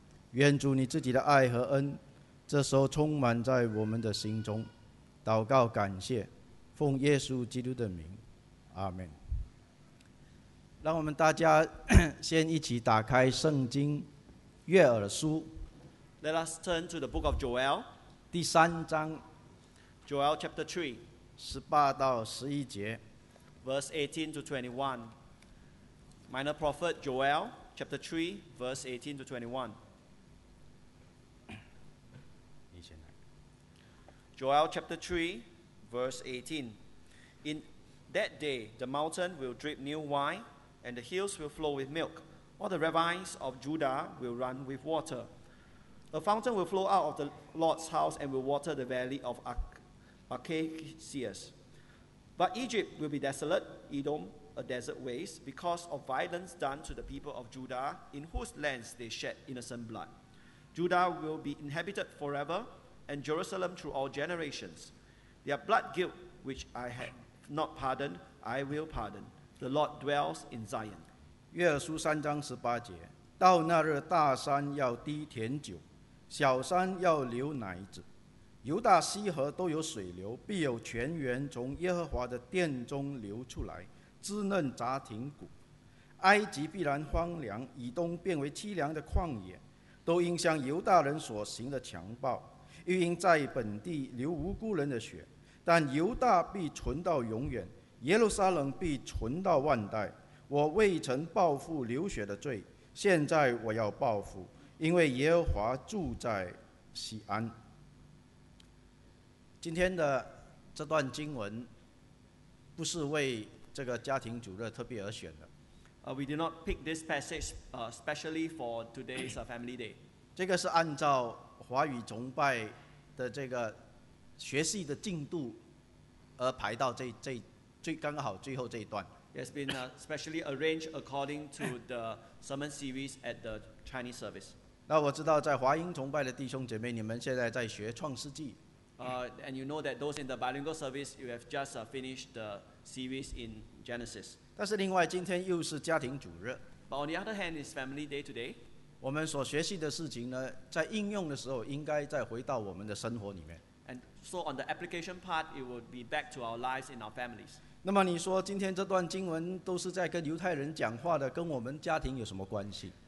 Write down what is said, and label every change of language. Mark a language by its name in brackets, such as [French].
[Chinese] 愿主你自己的爱和恩这时候充满在我们的心中。祷告感谢，奉耶稣基督的名，阿们。让我们大家先一起打开圣经约珥书。 [English] Let us turn to the book of Joel. [Chinese] 第三章。 [English] Joel chapter 3. [Chinese] 18-11节。 [English] Verse 18-21. Minor prophet Joel chapter 3, verse 18-21. [Chinese] 你先来。 [English] Joel chapter 3, verse 18. In that day, the mountain will drip new wine, and the hills will flow with milk. All the ravines of Judah will run with water. A fountain will flow out of the Lord's house and will water the valley of Achaicus. But Egypt will be desolate, Edom a desert waste, because of violence done to the people of Judah, in whose lands they shed innocent blood. Judah will be inhabited forever, and Jerusalem through all generations. Their blood guilt, which I had not pardoned, I will pardon. The Lord dwells in Zion. [Chinese] 约珥书三章十八节，到那日大山要滴甜酒，小山要流奶子，犹大西河都有水流，必有泉源从耶和华的殿中流出来，滋润杂亭谷。埃及必然荒凉，以东变为凄凉的旷野，都因向犹大人所行的强暴，又因在本地流无辜人的血。但犹大必存到永远，耶路撒冷必存到万代。我未曾报复流血的罪，现在我要报复，因为耶和华住在西安。今天的这段经文不是为这个家庭主日特别而选的。 [English] We did not pick this passage specially for today's family day. [Chinese] 这个是按照华语崇拜的这个学习的进度而排到最刚好最后这一段。 [English] It's been specially arranged according to the sermon series at the Chinese service. [Chinese] 那我知道在华英崇拜的弟兄姐妹，你们现在在学创世纪。 [English] And you know that those in the bilingual service, you have just finished the series in Genesis. [Chinese] 但是另外今天又是家庭主日。 [English] But on the other hand, it's family day today. [Chinese] 我们所学习的事情呢，在应用的时候应该再回到我们的生活里面。 [English] And so on the application part, it would be back to our lives in our families. [Chinese] 那么你说今天这段经文都是在跟犹太人讲话的，跟我们家庭有什么关系？